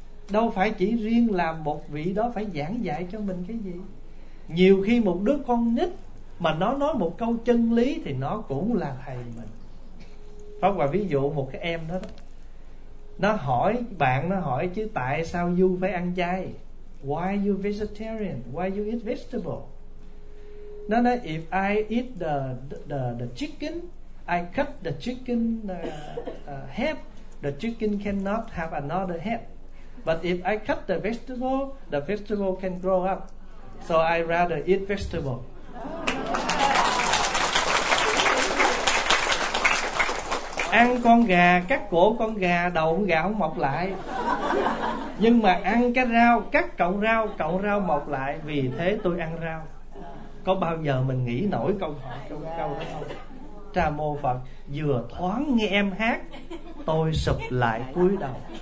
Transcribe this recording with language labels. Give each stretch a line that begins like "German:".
Vietnamese: Đâu phải chỉ riêng làm một vị đó phải giảng dạy cho mình cái gì. Nhiều khi một đứa con nít mà nó nói một câu chân lý thì nó cũng là thầy mình. Pháp Hòa ví dụ một cái em đó, nó hỏi bạn, nó hỏi chứ tại sao you phải ăn chay?
English: Why you vegetarian? Why you eat vegetable?
Vietnamese: Nó nói
English: if I eat the chicken, I cut the chicken head, the chicken cannot have another head. But if I cut the vegetable can grow up. So I rather eat vegetable.
Vietnamese: Ăn con gà, cắt cổ con gà, đầu con gà không mọc lại. Nhưng mà ăn cái rau, cắt cọng rau mọc lại, vì thế tôi ăn rau. Có bao giờ mình nghĩ nổi câu hỏi câu đó không? Trà mô Phật, vừa thoáng nghe em hát, tôi sụp lại cúi đầu.